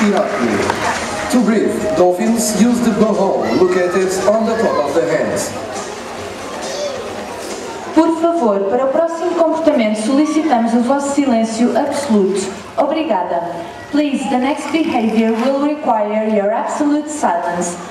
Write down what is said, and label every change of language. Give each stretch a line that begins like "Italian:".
English: To breathe, dolphins use the bubble located on the top of the head.
Portuguese: Por favor, para o próximo comportamento solicitamos o vosso silêncio absoluto. Obrigada.
English: Please, the next behavior will require your absolute silence.